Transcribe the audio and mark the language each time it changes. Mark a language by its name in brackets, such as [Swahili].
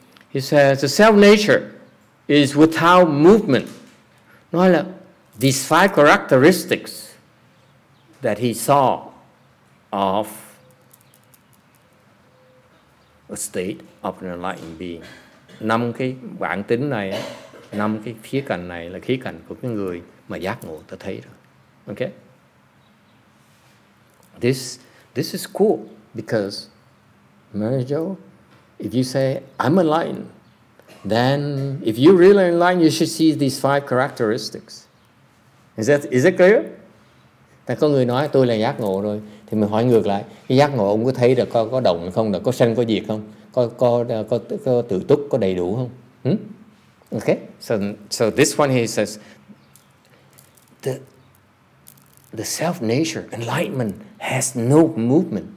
[English] He says the self nature is without movement. [Vietnamese] Nói là [English] these five characteristics that he saw of a state of an enlightened being. [Vietnamese] Năm cái bản tính này, năm cái khía cạnh này là khía cạnh của cái người mà giác ngộ ta thấy rồi. [English] Okay? This is cool because Marjo, if you say, I'm enlightened, then if you're really enlightened, you should see these five characteristics. Is that clear? [Vietnamese] Tại có người nói tôi là giác ngộ rồi, thì mình hỏi ngược lại, cái giác ngộ ông có thấy được có động không, được có sanh có diệt không, có tự túc có đầy đủ không? [English] Okay. So this one he says the self nature enlightenment has no movement.